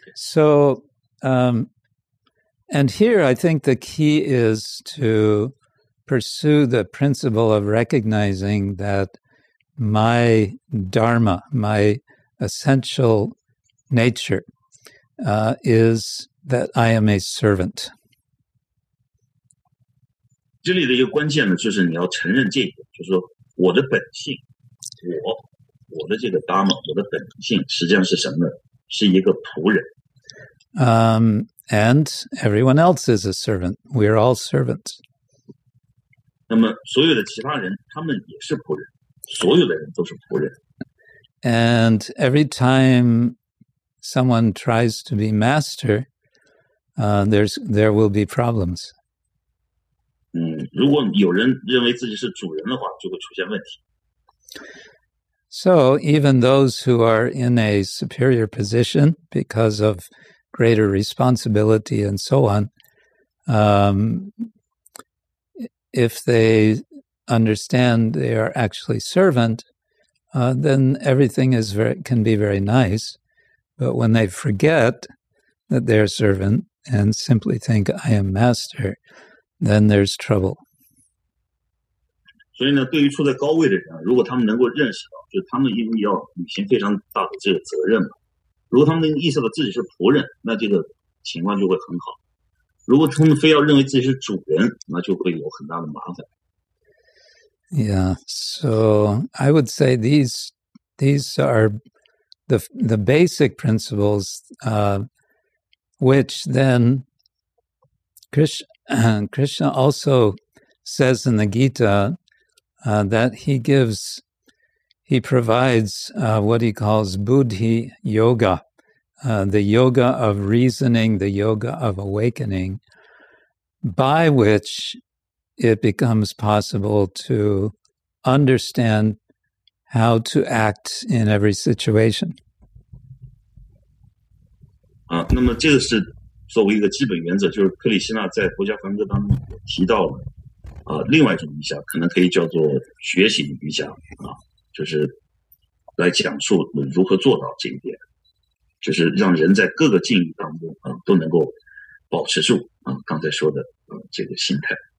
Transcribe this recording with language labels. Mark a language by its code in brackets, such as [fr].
[en] So, and here I think the key is to pursue the principle of recognizing that my dharma, my essential nature, is that I am a servant. [zh] 这里的一个关键呢，就是你要承认这一点，就是说我的本性，我的这个 dharma， 我的本性实际上是什么呢？是一个仆人。 [en] And everyone else is a servant. We are all servants. [zh] 那么所有的其他人，他们也是仆人，所有的人都是仆人。 [en] And every time someone tries to be master, there will be problems. [zh] 如果有人认为自己是主人的话，就会出现问题。 [en] So even those who are in a superior position because of greater responsibility and so on, if they understand they are actually servant, then everything is can be very nice. But when they forget that they're servant and simply think, I am master, then there's trouble. [zh] 所以呢，对于处在高位的人，如果他们能够认识到，就是他们因为要履行非常大的这个责任嘛，如果他们能意识到自己是仆人，那这个情况就会很好。如果他们非要认为自己是主人，那就会有很大的麻烦。 [en] Yeah, so I would say these are the basic principles which then Krishna also says in the Gita that he provides what he calls buddhi yoga, the yoga of reasoning, the yoga of awakening, by which it becomes possible to understand how to act in every situation. [zh] 那么这个是作为一个基本原则，就是克里希那在《佛家梵歌》当中提到了另外一种瑜伽，可能可以叫做觉醒瑜伽就是来讲述如何做到这一点，就是让人在各个境遇当中都能够保持住刚才说的这个心态。